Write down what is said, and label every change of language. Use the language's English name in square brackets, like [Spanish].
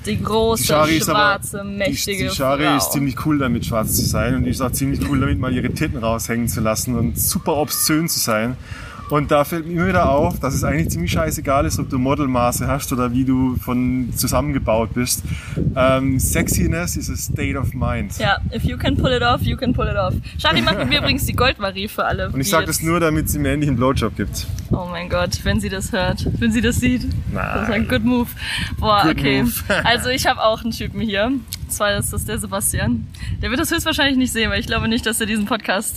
[German] Die große, die Shari schwarze, mächtige Die Shari Frau. Ist ziemlich cool damit, schwarz zu sein. Und die ist auch ziemlich cool damit, mal ihre Titten raushängen zu lassen und super obszön zu sein. Und da fällt mir immer wieder auf, dass es eigentlich ziemlich scheißegal ist, ob du Modelmaße hast oder wie du von zusammengebaut bist. [English] Sexiness is a state of mind. Ja, if you can pull it off, you can pull it off. [German] Shari macht mit mir übrigens die Goldmarie für alle. Und ich sag das nur, damit sie mir endlich einen Blowjob gibt. Oh mein Gott, wenn sie das hört, wenn sie das sieht. Nein. Das ist ein [English] good move. [German] Boah, [English] good okay. [German] Move. Also ich habe auch einen Typen hier. Zwei, das ist der Sebastian. Der wird das höchstwahrscheinlich nicht sehen, weil ich glaube nicht, dass er diesen Podcast